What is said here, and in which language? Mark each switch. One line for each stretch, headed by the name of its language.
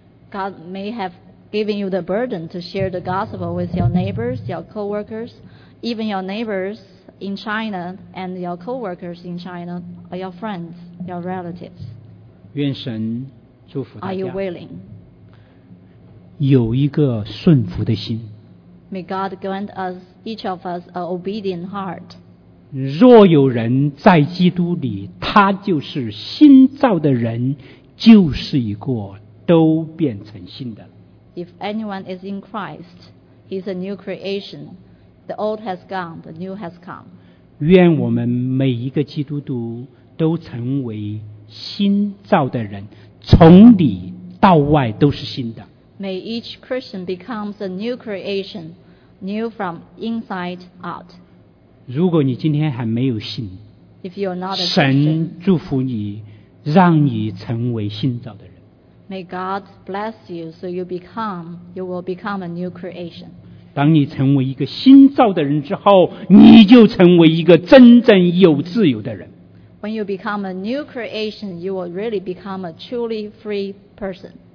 English: God may have given you the burden to share the gospel with your neighbors, your co-workers, even your neighbors in China and your co-workers in China, or your friends, your relatives.
Chinese: 愿神祝福大家。
English: Are you willing?
Chinese: 有一个顺服的心。
English: May God grant us each of us an obedient heart.
Chinese: 若有人在基督里，他就是新造的人，旧事已过，都变成新的。
English: If anyone is in Christ, he's a new creation. The old has gone, the new has come.
Chinese: 愿我们每一个基督徒都成为新造的人，从里到外都是新的。
English: May each Christian become a new creation, new from inside out.
Chinese: 如果你今天还没有信，
English: If you're not a Christian,
Chinese: 神祝福你，让你成为新造的人。
English: May God bless you so you will become a new creation.
Chinese: 当你成为一个新造的人之后，你就成为一个真正有自由的人。
English: When you become a new creation, you will really become a truly free person.